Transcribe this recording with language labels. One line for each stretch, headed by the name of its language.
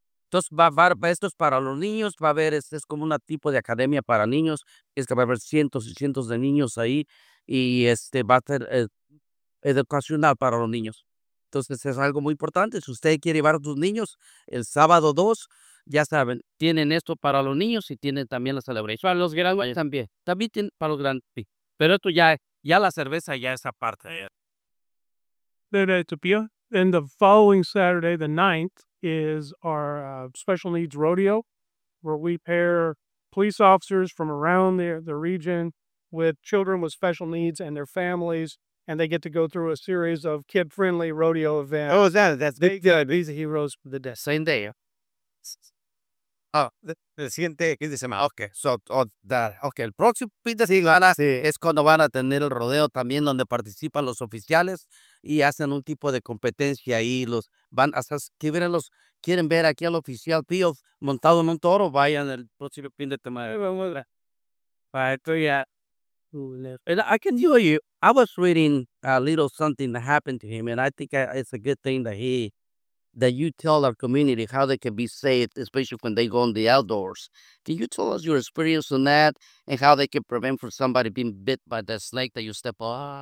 Spanish: Entonces, esto es para los niños, va a haber, es como una tipo de academia para niños, es que va a haber cientos y cientos de niños ahí, y va a ser educacional para los niños. Entonces, es algo muy importante, si usted quiere llevar a sus niños, el sábado 2, ya saben, tienen esto para los niños y tienen también la celebración. Para los grandes también. También tienen para los grandes, sí. Pero esto ya la cerveza ya es aparte.
English: Then the following Saturday, the 9th, is our special needs rodeo, where we pair police officers from around the region with children with special needs and their families, and they get to go through a series of kid-friendly rodeo events. Oh, that's big. These are heroes for the day. Same day. Oh, the
Spanish: siguiente fin de semana.
English: Okay, so that.
Spanish: Okay, el próximo fin de semana es cuando van a tener el rodeo también, donde participan los oficiales y hacen un tipo de competencia ahí. Los van a hacer, quieren ver aquí al oficial Pío montado en un toro, vayan el próximo fin de semana. Vamos a ver.
English: I can tell you, I was reading a little something that happened to him, and I think it's a good thing that you tell our community how they can be safe, especially when they go in the outdoors. Can you tell us your experience on that and how they can prevent from somebody being bit by the snake that you step on?